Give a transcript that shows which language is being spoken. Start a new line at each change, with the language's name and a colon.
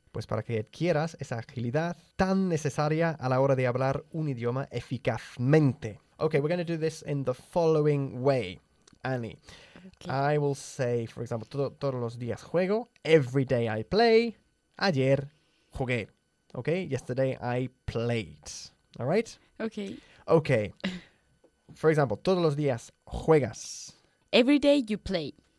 Spanish: Pues para que adquieras esa agilidad tan necesaria a la hora de hablar un idioma eficazmente.
English: Ok, we're going to do this in the following way, Annie. Okay. I will say, for example,
Spanish: todos los días juego.
English: Every day I play.
Spanish: Ayer jugué.
English: Ok, yesterday I played. All right? Ok. Ok. For example,
Spanish: todos los días juegas.
English: Every day you play.